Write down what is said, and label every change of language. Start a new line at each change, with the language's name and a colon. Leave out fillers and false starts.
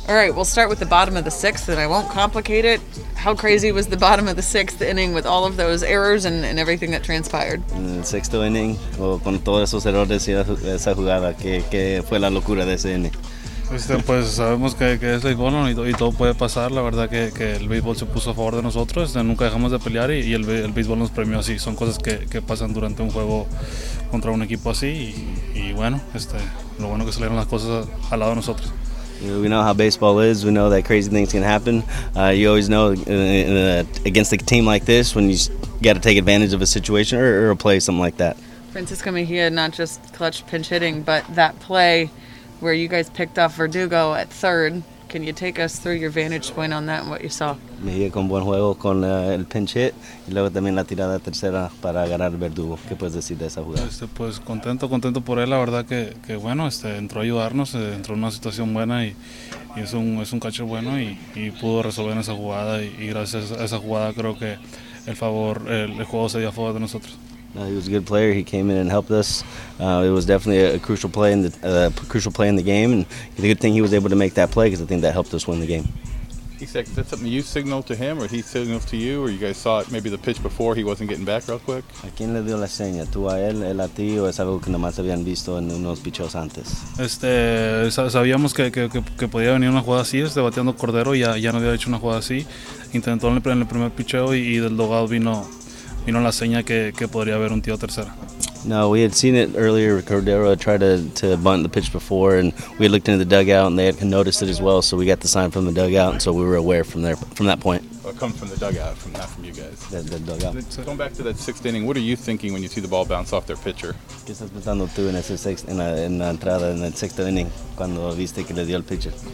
English: All right, we'll start with the bottom of the sixth, and I won't complicate it. How crazy was the bottom of the sixth inning with all of those errors and everything that transpired?
Spanish: El sexto inning, o con todos esos errores y esa jugada, ¿qué fue la locura de ese inning? Pues sabemos que es béisbol, ¿no? Y todo puede pasar. La verdad que el béisbol se puso a favor de nosotros. Nunca dejamos de pelear y el béisbol nos premió así. Son cosas que pasan durante un juego contra un equipo así. Y bueno, lo bueno que salieron las cosas al lado de nosotros.
English: You know, we know how baseball is. We know that crazy things can happen. You always know against a team like this when you got to take advantage of a situation or a play, something like that. Francisco Mejia, not just clutch pinch hitting, but that play where you guys picked off Verdugo at third. Can you take us through your vantage point on that and what you saw?
Spanish: Mejía con buen juego con el pinch hit y luego también la tirada tercera para ganar Verdugo. ¿Qué puedes decir de esa jugada? Pues contento por él. La verdad que bueno, entró a ayudarnos, entró en una situación buena y es un catcher bueno y pudo resolver esa jugada y gracias a esa jugada creo que el juego se dio a favor de nosotros.
English: No, he was a good player. He came in and helped us. It was definitely a crucial play in the game, and the good thing he was able to make that play because I think that helped us win the game. He said, "Is that something you signaled to him, or he signaled to you, or you guys saw it maybe the pitch before he wasn't getting back real quick?"
Spanish: ¿A quién le dio la seña? ¿Tú a él, él a ti, o es algo que nomás habían visto en unos picheos antes? Sabíamos que podía venir una jugada así, bateando cordero, ya no había hecho una jugada así. Intentó en el primer picheo y del dogado vino.
English: You know,
Spanish: la seña que podría haber un tío tercera.
English: No, we had seen it earlier. Cordero tried to bunt the pitch before, and we had looked into the dugout, and they had noticed it as well. So we got the sign from the dugout, and so we were aware from there, from that point. Well, it comes from the dugout, not from you guys. The dugout. Going back to that sixth inning, what are you thinking when you see the ball bounce off their pitcher?
Spanish: ¿Qué estás pensando tú en ese sexto en la entrada en el sexto inning cuando viste que le dio el pitcher?